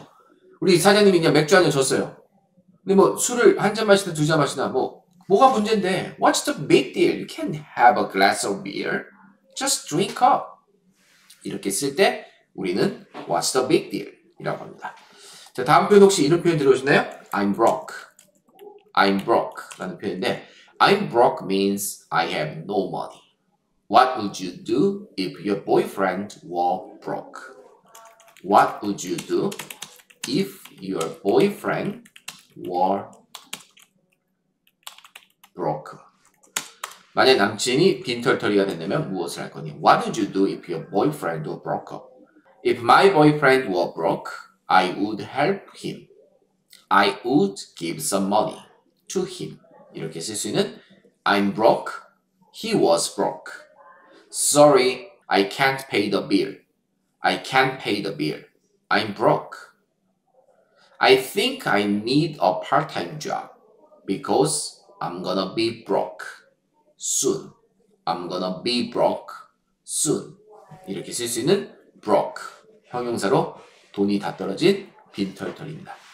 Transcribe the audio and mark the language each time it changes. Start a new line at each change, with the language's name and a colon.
Korean: 우리 사장님이 그냥 맥주 한 잔 줬어요. 근데 뭐 술을 한 잔 마시나 두 잔 마시나 뭐가 문제인데?
English: What's the big deal? You can have a glass of beer. Just drink up.
Korean: 이렇게 쓸 때 우리는
English: What's the big deal?
Korean: 이라고 합니다. 자, 다음 표현 혹시 이런 표현 들어보셨나요?
English: I'm broke. I'm broke
Korean: 라는 표현인데
English: I'm broke means I have no money. What would you do if your boyfriend were broke? What would you do if your boyfriend were broke?
Korean: 만약 남친이 빈털터리가 된다면 무엇을 할 거니?
English: What would you do if your boyfriend were broke? If my boyfriend were broke, I would help him. I would give some money to him.
Korean: 이렇게 쓸 수 있는
English: I'm broke. He was broke. Sorry, I can't pay the bill. I can't pay the bill. I'm broke. I think I need a part-time job because I'm gonna be broke soon. I'm gonna be broke soon.
Korean: 이렇게 쓸 수 있는
English: broke.
Korean: 형용사로 돈이 다 떨어진 빈털털입니다.